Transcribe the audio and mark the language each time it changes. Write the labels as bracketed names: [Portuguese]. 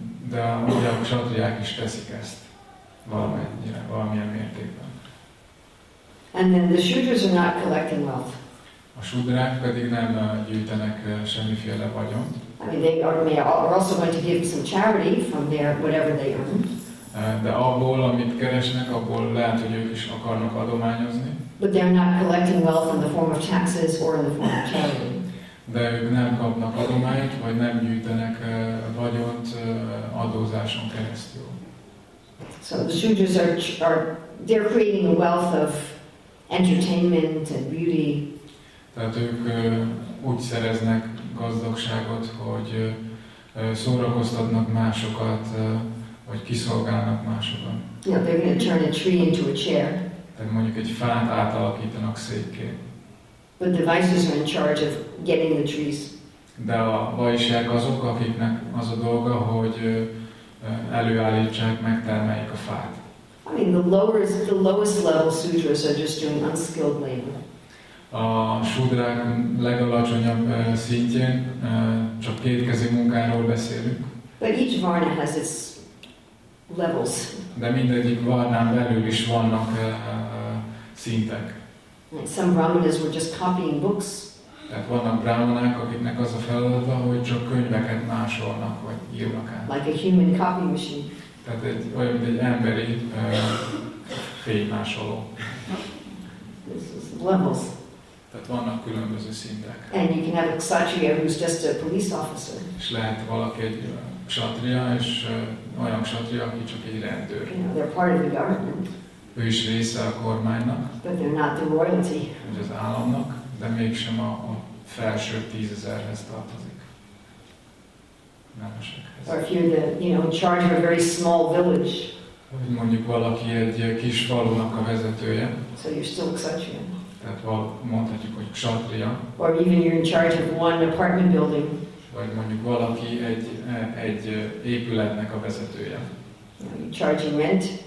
[Hungarian] De ugye a kshatriyák is teszik ezt valamennyire, valamilyen mértékben. [English] And then the shudras are not collecting wealth. [Hungarian] A shudrák pedig nem gyűjtenek semmiféle vagyont. [English] I mean, they are also going to give some charity from their whatever they earn. [Hungarian] De abból, amit keresnek, abból lehet, hogy ők is akarnak adományozni. [English] But they're not collecting wealth in the form of taxes or in the form of charity. [Hungarian] De ők nem kapnak adományt, vagy nem gyűjtenek vagyont adózáson keresztül. [English] So the shudras they're creating a wealth of entertainment and beauty. [Hungarian] Tehát ők úgy szereznek gazdagságot, hogy szórakoztatnak másokat, vagy kiszolgálnak másokat. [English] Yeah, they're going to turn a tree into a chair. [Hungarian] Tehát mondjuk egy fát átalakítanak székké. [English] But the vices are in charge of getting the trees. [Hungarian] De a vajsák azok, akiknek az a dolga, hogy előállítsák, megtermeljék a fát. [English] I mean, the lowest level sudras are just doing unskilled labor. [Hungarian] A sudrák legalacsonyabb szintjén csak kétkezi munkáról beszélünk. [English] But each varna has its levels. [Hungarian] De mindegyik varnán belül is vannak szintek. [English] Some brahmanas were just copying books. [Hungarian] Tehát vannak brahmanák, akiknek az a feladata, hogy csak könyveket másolnak, vagy írnak át. [English] Like a human copy machine. [Hungarian] Tehát egy, olyan, mint egy emberi fénymásoló. [English] Levels. [Hungarian] Tehát vannak különböző szintek. [English] And you can have a kshatriya who's just a police officer. [Hungarian] És lehet valaki egy kshatriya, és olyan kshatriya, aki csak egy rendőr. [English] You know, they're part of the government. [Hungarian] Ő is része a kormánynak. [English] But they're not the royalty. [Hungarian] Vagy az államnak, de mégsem a felső tízezerhez tartozik. Nemesekhez. [English] Or if you're the, you know, in charge of a very small village. [Hungarian] Vagy mondjuk valaki egy kis falunak a vezetője. [English] So you're still a kshatriya. [Hungarian] Tehát mondhatjuk, hogy kshatriya. [English] Or even you're in charge of one apartment building. [Hungarian] Vagy mondjuk valaki egy épületnek a vezetője. [English] You're charging rent.